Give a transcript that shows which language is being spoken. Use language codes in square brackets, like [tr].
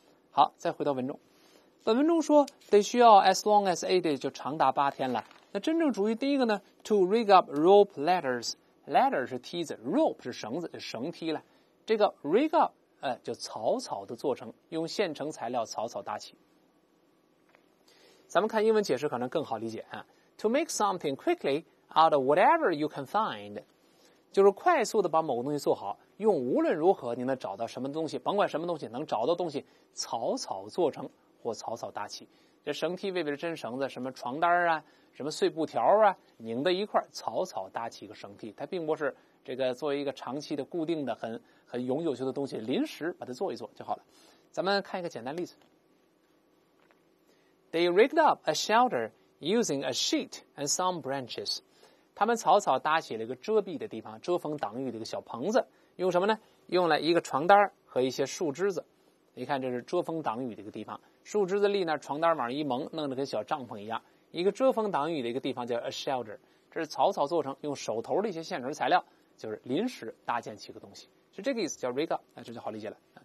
[zh] 好，再回到文中。本文中说得需要 [en] as long as a day， [zh] 就长达八天了。那真正主语第一个呢， [en] to rig up rope ladders， [zh] ladder 是梯子， rope 是绳子，就绳梯了。这个 rig up 就草草的做成，用现成材料草草搭起。咱们看英文解释可能更好理解啊。 [en] to make something quickly out of whatever you can find. [zh] 就是快速的把某个东西做好，用无论如何你能找到什么东西，甭管什么东西能找到东西，草草做成或草草搭起。这绳梯未必是真绳子，什么床单啊，什么碎布条啊，拧在一块草草搭起一个绳梯，它并不是这个作为一个长期的固定的很永久性的东西，临时把它做一做就好了。咱们看一个简单例子。 [en] They rigged up a shelter using a sheet and some branches. [zh] 他们草草搭起了一个遮蔽的地方，遮风挡雨的一个小棚子，用什么呢？用了一个床单和一些树枝子。你看，这是遮风挡雨的一个地方，树枝子立那，床单往上一蒙，弄得跟小帐篷一样。一个遮风挡雨的一个地方叫 a shelter， 这是草草做成，用手头的一些现成材料，就是临时搭建起一个东西，是这个意思，叫 rig up， 这就好理解了。